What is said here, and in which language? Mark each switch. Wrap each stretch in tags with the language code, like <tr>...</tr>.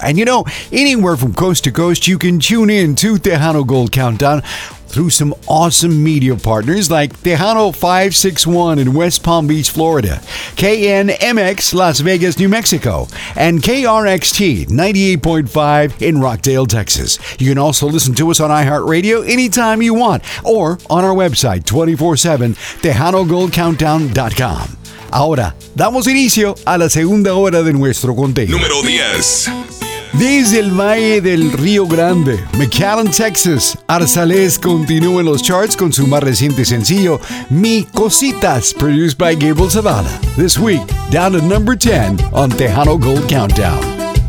<en>And you know, anywhere from coast to coast, you can tune in to Tejano Gold Countdown through some awesome media partners like Tejano 561 in West Palm Beach, Florida, KNMX Las Vegas, New Mexico, and KRXT 98.5 in Rockdale, Texas. You can also listen to us on iHeartRadio anytime you want or on our website 24/7, TejanoGoldCountdown.com.</en> <es>Ahora, damos inicio a la segunda hora de nuestro conteo. Número 10. Desde el Valle del Río Grande, McAllen, Texas, Arzales continúa en los charts con su más reciente sencillo, Mi Cositas,</es> <en>produced by Gabriel Zavala. This week, down to number 10 on Tejano Gold Countdown.</en>